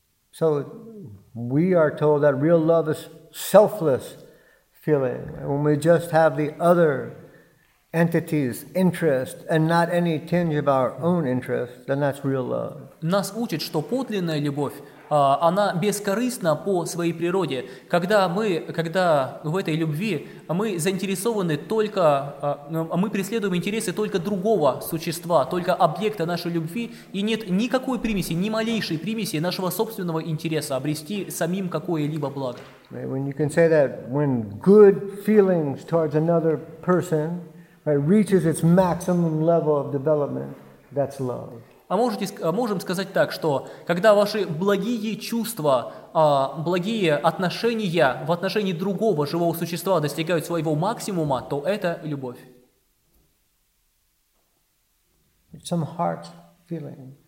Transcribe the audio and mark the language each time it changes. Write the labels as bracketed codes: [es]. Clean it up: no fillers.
[en] So we are told that real love is selfless feeling. When we just have the other entity's interest and not any tinge of our own interest, then that's real love. [ru] Нас учат, что подлинная любовь она бескорыстна по своей природе. Когда в этой любви мы заинтересованы только, мы преследуем интересы только другого существа, только объекта нашей любви, и нет никакой примеси, ни малейшей примеси нашего собственного интереса обрести самим какое-либо благо. [en] When you can say that, when good feelings towards another person reaches its maximum level of development, that's love. [ru] А можем сказать так, что когда ваши благие чувства, благие отношения в отношении другого живого существа достигают своего максимума, то это любовь. [en] Some heart feeling.